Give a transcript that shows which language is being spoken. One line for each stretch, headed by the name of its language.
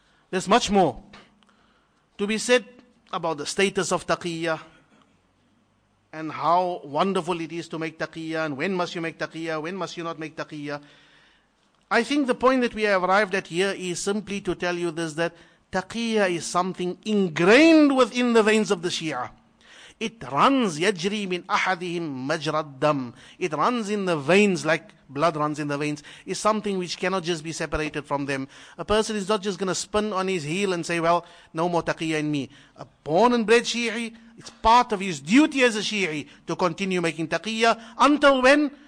English: There's much more to be said about the status of taqiyya and how wonderful it is to make taqiyya, and when must you make taqiyya, when must you not make taqiyya. I think the point that we have arrived at here is simply to tell you this, that taqiyya is something ingrained within the veins of the Shia. It runs,
Arabic: يَجْرِي مِنْ أَحَدِهِمْ مَجْرَ الدَّمِ.
English: It runs in the veins, like blood runs in the veins. It's something which cannot just be separated from them. A person is not just going to spin on his heel and say, well, no more taqiyya in me. A born and bred Shi'i, it's part of his duty as a Shi'i to continue making taqiyya. Until when?